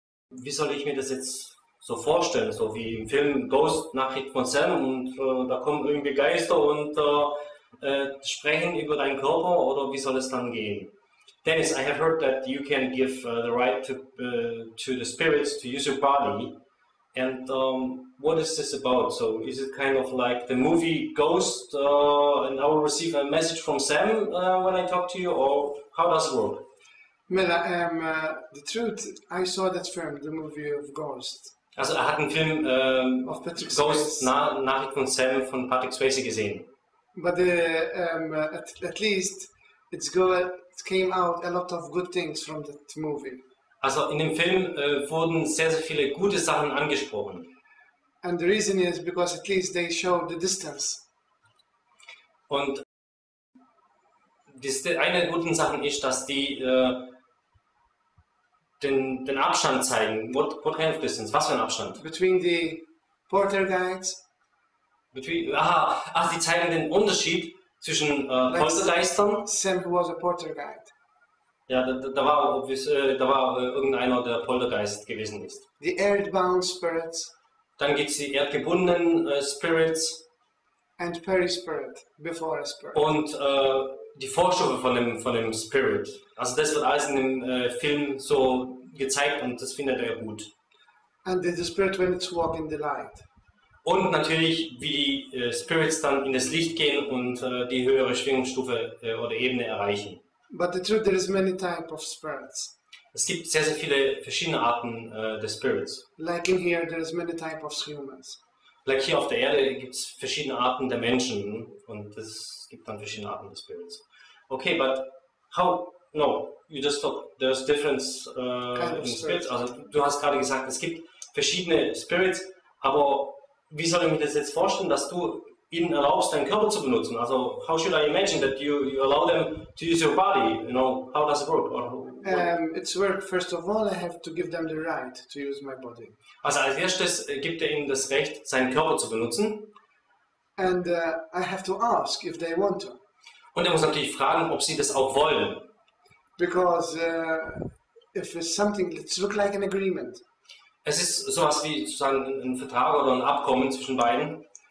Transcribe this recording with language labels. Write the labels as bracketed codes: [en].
[de] Wie soll ich mir das jetzt so vorstellen? So wie im Film Ghost nach Rick von Sam und da kommen irgendwie Geister und sprechen über deinen Körper oder wie soll es dann gehen? [en] Dennis, I have heard that you can give the right to the spirits to use your body. And what is this about? So is it kind of like the movie Ghost and I will receive a message from Sam when I talk to you, or how does it work? Miller, the truth, I saw that film, the movie of Ghost. [de] Also er hat einen Film [en] of Patrick [de] Ghost, Nachricht von Sam von Patrick Swayze gesehen. [en] But at least it came out a lot of good things from that movie. [de] Also in dem Film wurden sehr, sehr viele gute Sachen angesprochen. [en] And the reason is because at least they showed the distance. [de] Und das, eine der guten Sachen ist, dass die den Abstand zeigen. [en] What kind of distance? [de] Was für ein Abstand? [en] Between the porter guides, [de] Die zeigen den Unterschied zwischen [en] like [de] Poltergeistern. [en] Sam was a porter guide. [de] Ja, da war irgendeiner, der Poltergeist gewesen ist. [en] The earthbound spirits [de] Dann gibt es die erdgebundenen Spirits [en] and peri spirit before a spirit. [de] und die Vorstufe von dem Spirit. Also das wird alles in dem Film so gezeigt und das findet er gut. [en] And the spirit when it's walking the light. [de] Und natürlich, wie die Spirits dann in das Licht gehen und die höhere Schwingungsstufe oder Ebene erreichen. [en] But the truth, there is many type of spirits. [de] Es gibt sehr, sehr viele verschiedene Arten des Spirits. [en] Like in here, there is many type of humans. [de] Like hier auf der Erde gibt es verschiedene Arten der Menschen und es gibt dann verschiedene Arten des Spirits. [en] Okay, but how? No, you just thought there's difference Kind of in the spirits. spirit. [de] Also du hast gerade gesagt, es gibt verschiedene Spirits, aber wie soll ich mir das jetzt vorstellen, dass du ihnen erlaubst, deinen Körper zu benutzen? [en] Also how should I imagine that you allow them to use your body? You know, how does it work? It's work. First of all, I have to give them the right to use my body. [de] Also als erstes gibt er ihnen das Recht, seinen Körper zu benutzen. [en] And I have to ask if they want to. [de] Und er muss natürlich fragen, ob sie das auch wollen. [en] Because if it's something, let's look like an agreement. [de] Es ist sowas wie sozusagen ein Vertrag oder ein Abkommen zwischen beiden.